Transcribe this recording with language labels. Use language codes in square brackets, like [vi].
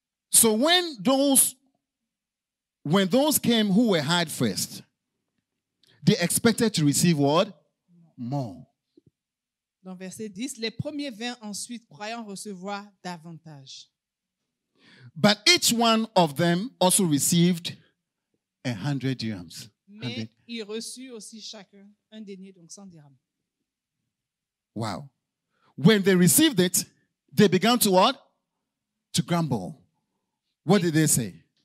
[en] So when those came who were hired first, they expected to receive what? More. [fr] Dans verset 10, les premiers vinrent ensuite croyant recevoir davantage. [en] But each one of them also received 100 dirhams. [fr] Mais il reçut aussi chacun un denier, donc 100 dirhams. [en] Wow. When they received it, they began to what? To grumble. What did they say?